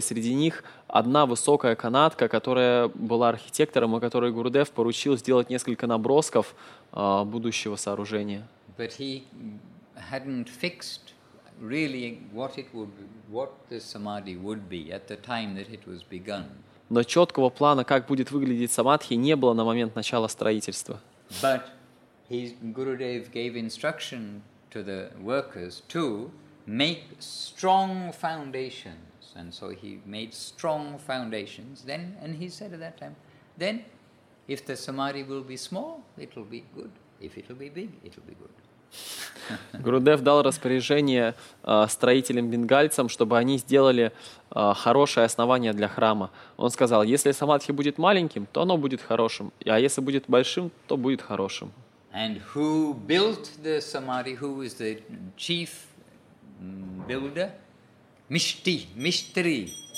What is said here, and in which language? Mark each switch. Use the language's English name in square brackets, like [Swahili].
[Russian] Среди них одна высокая канадка, которая была архитектором, и которой Гурудев поручил сделать несколько набросков будущего сооружения. [English] But he hadn't fixed really what it would be, what the samadhi would be at the time that it was begun. [Russian] Но четкого плана, как будет выглядеть самадхи, не было на момент начала строительства. [English] But Gurudev gave instruction to the workers to make strong foundations, and so he made strong foundations. Then, and he said at that time, then if the samadhi will be small, it'll be good. If it'll be big, it'll be good. [Russian] Гурудев дал распоряжение строителям-бенгальцам, чтобы они сделали хорошее основание для храма. Он сказал, если самадхи будет маленьким, то оно будет хорошим, а если будет большим, то будет хорошим. [English] And who built the samadhi? Who was the chief builder? Mishti, Mishtri.